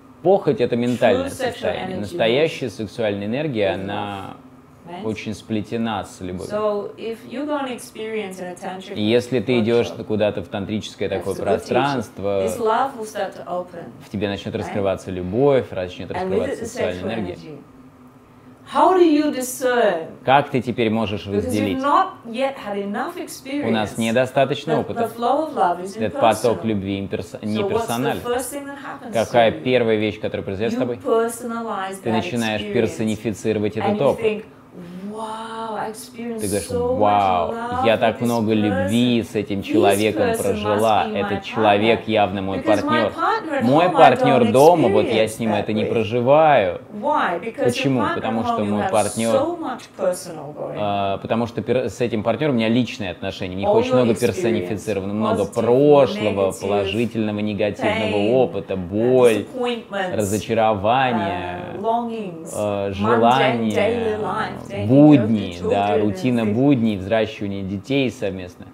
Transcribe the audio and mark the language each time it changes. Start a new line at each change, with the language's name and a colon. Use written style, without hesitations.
Russian: Похоть — это ментальное состояние. Настоящая сексуальная энергия, она очень сплетена с любовью. И если ты идешь куда-то в тантрическое такое пространство, в тебе начнет раскрываться любовь, начнет раскрываться сексуальная энергия.
English: How do you discern?
Russian: Как ты теперь можешь разделить?
English: Because we've not yet had enough experience.
Russian: У нас недостаточно опыта.
English: The flow of love is impersonal.
Russian: Поток любви не персональ.
English: So what's the first thing that happens?
Russian: Какая первая вещь, которая произойдет с тобой?
English: You personalize that.
Russian: Ты начинаешь персонифицировать этот опыт.
English: And you think, wow, I experienced.
Russian: Ты говоришь, вау, я так много любви с этим человеком прожила. Этот человек явно мой партнер. Мой партнер дома, вот я с ним это не проживаю. Почему? Потому что мой партнер... Потому что с этим партнером у меня личные отношения. У них очень много персонифицированного, много прошлого, положительного, негативного опыта, боль, разочарования, желания, будни, да, рутина будней, взращивание детей совместно.